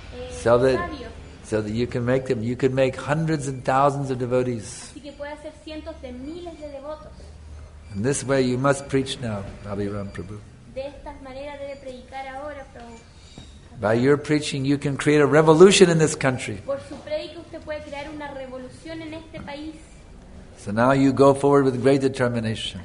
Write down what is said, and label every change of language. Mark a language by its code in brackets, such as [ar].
[en] So that you can make them, you can make hundreds and thousands of devotees. [es] Así que puede hacer cientos de miles de devotos. [en] In this way you must preach now, Abhiram Prabhu. [es] De esta manera debe predicar ahora, Prabhu. [en] By your preaching you can create a revolution in this country. [es] Por su predica usted puede crear una revolución en este país. [en] So now you go forward with great determination